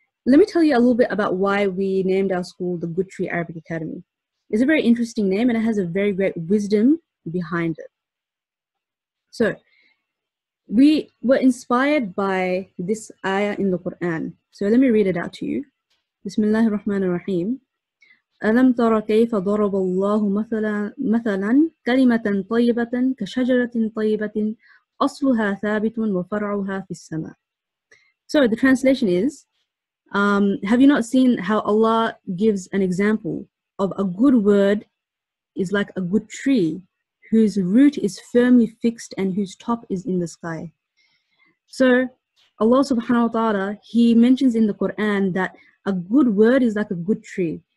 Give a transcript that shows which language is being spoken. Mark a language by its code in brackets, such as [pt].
[en] Let me tell you a little bit about why we named our school the Guthrie Arabic Academy. It's a very interesting name and it has a very great wisdom behind it. So, we were inspired by this ayah in the Quran. So let me read it out to you. Bismillah ar-Rahman ar-Rahim. [ar] ألم تر كيف ضرب الله مثلا كلمة طيبة كشجرة طيبة أصلها ثابت وفرعها في السماء. [en] So the translation is, have you not seen how Allah gives an example of a good word is like a good tree whose root is firmly fixed and whose top is in the sky? So Allah subhanahu wa ta'ala, he mentions in the Quran that a good word is like a good tree.